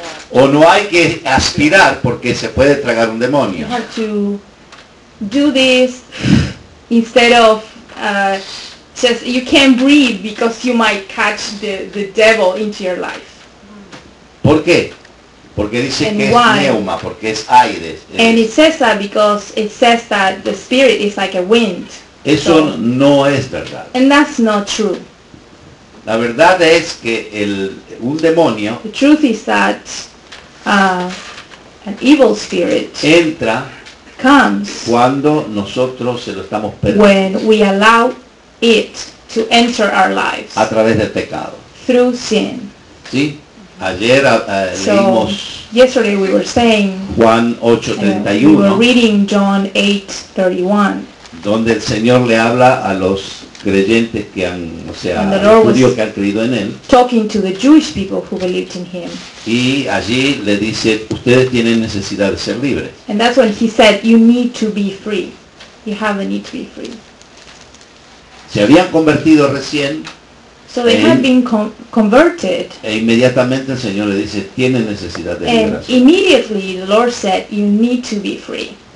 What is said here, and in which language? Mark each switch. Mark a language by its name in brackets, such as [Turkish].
[Spanish] o no hay que aspirar porque se puede tragar un demonio. [English] You have to do this instead of just you can't breathe because you might catch the devil into your life. [Spanish] ¿Por qué? Porque dice [English] and [Spanish] que [English] why? [Spanish] Es neuma, porque es aire. [English] And it says that because it says that the spirit is like a wind. [Spanish] Eso so, no es verdad. [English] And that's not true. [Spanish] La verdad es que un demonio. [English] The truth is that an evil spirit [Spanish] entra [English] comes [Spanish] cuando nosotros se lo estamos permitiendo. [English] When we allow it to enter our lives. [Spanish] A través del pecado. [English] Through sin. [Spanish] Sí. Ayer leímos [English] yesterday we were saying [Spanish] Juan 8:31. [English] We were reading John 8:31. [Spanish] Donde el Señor le habla a los creyentes que han, o sea, a los judíos que han creído en él. [English] Talking to the Jewish people who believed in him. [Spanish] Y allí le dice, ustedes tienen necesidad de ser libres. [English] And that's when he said, you need to be free. You have a need to be free. [Spanish] Se habían convertido recién. [English] So they had been converted. [Spanish] E inmediatamente el Señor le dice, tienen necesidad de liberación. [English] And immediately the Lord said, you need to be free.